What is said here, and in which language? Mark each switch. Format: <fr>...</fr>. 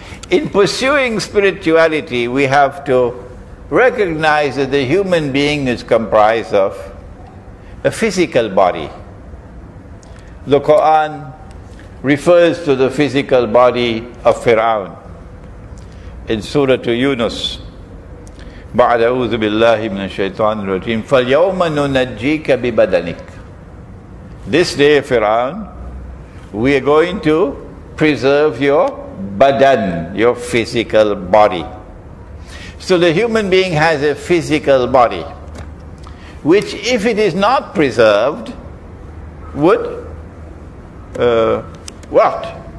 <en>In pursuing spirituality, we have to recognize that the human being is comprised of a physical body. The Quran refers to the physical body of Fir'aun in Surah to Yunus.</en> <ar>بعد أعوذ بالله من الشيطان الرجيم فاليوم ننجيك ببدنك.</ar> <en>This day, Fir'aun, we are going to preserve your badan, your physical body. So the human being has a physical body, which if it is not preserved, would rot.</en>